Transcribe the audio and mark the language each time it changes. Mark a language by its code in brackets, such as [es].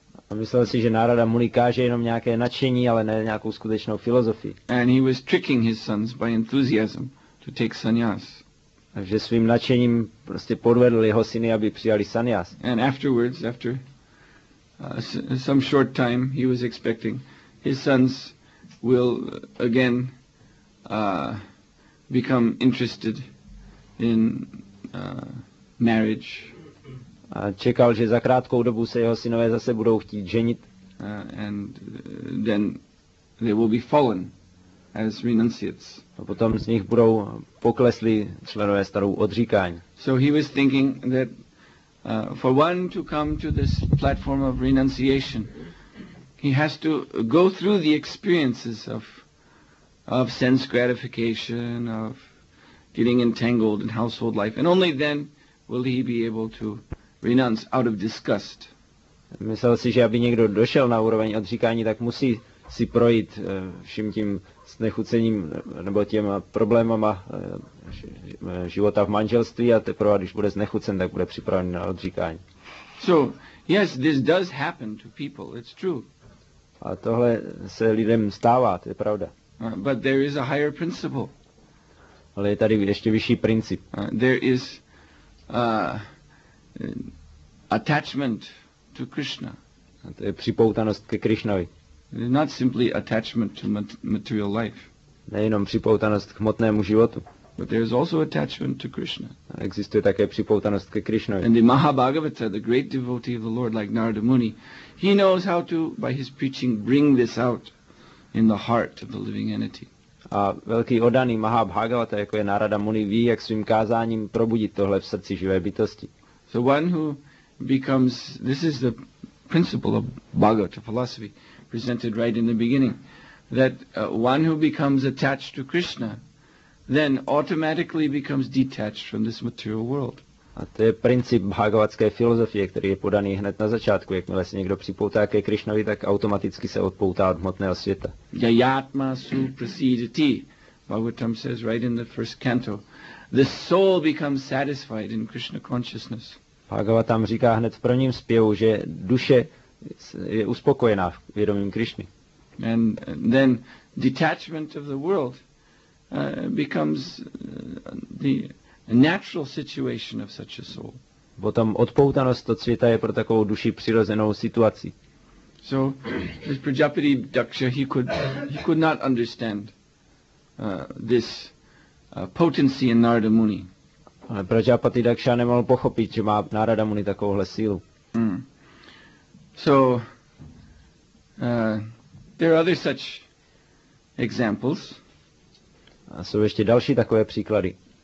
[cs] A myslel si, že Narada Muni káže jenom nějaké nadšení, ale ne nějakou skutečnou filozofii. [en] And he was tricking his sons by enthusiasm to take sannyas. [cs] Takže svým nadšením prostě podvedl jeho syny, aby přijali sannyas. [en] And afterwards, after some short time, he was expecting his sons will again become interested in marriage. [cs] A čekal, že za krátkou dobu se jeho synové zase budou chtít ženit. [en] And then they will be fallen as renunciates. [cs] A potom z nich budou poklesli členové starou odříkání. [en] So he was thinking that for one to come to this platform of renunciation, he has to go through the experiences of sense gratification, of getting entangled in household life, and only then will he be able to renounce out of disgust. [cs] Myslel si, že aby někdo došel na úroveň odříkání, tak musí si projít vším tím znechucením nebo těma problémama života v manželství, a teprve když bude znechucen, tak bude připraven na odříkání. [en] So, yes, this does happen to people, it's true. [cs] A tohle se lidem stává, to je pravda. [en] But there is a higher principle. [cs] Ale je tady ještě vyšší princip. [en] There is attachment to Krishna. [cs] A to je připoutanost ke Krishnovi. [en] Not simply attachment to material life. [cs] Nejenom připoutanost k hmotnému životu. [en] But there is also attachment to Krishna. [cs] Existuje také připoutanost ke Krishnovi. [en] And the Mahabhagavata, the great devotee of the Lord, like Narada Muni, he knows how to, by his preaching, bring this out in the heart of the living entity. [cs] A velký oddaný Mahabhagavata, jako je Narada Muni, ví, jak svým kázáním probudit tohle v srdci živé bytosti. [en] So one who becomes, this is the principle of Bhagavata philosophy presented right in the beginning, that one who becomes attached to Krishna then automatically becomes detached from this material world. [cs] A to je princip bhagavatské filozofie, který je podaný hned na začátku. Jakmile se někdo připoutá ke Krishnovi, tak automaticky se odpoutá od hmotného světa. [sa] Yayatma su prasidati, [en] Bhagavatam says right in the first canto, the soul becomes satisfied in Krishna consciousness. [cs] Bhagavatam říká hned v prvním zpěvu, že duše je uspokojená v vědomím Krishny. [en] And then detachment of the world becomes the natural situation of such a soul. [cs] Potom odpoutanost od světa je pro takovou duši přirozenou situací. [en] So this Prajapati Daksha, he could not understand this potency in Narada Muni. [cs] Ale Prajapati Daksha nemohl pochopit, že má Narada Muni takovouhle sílu. [en] So there are other such examples. [cs] A jsou ještě další takové příklady.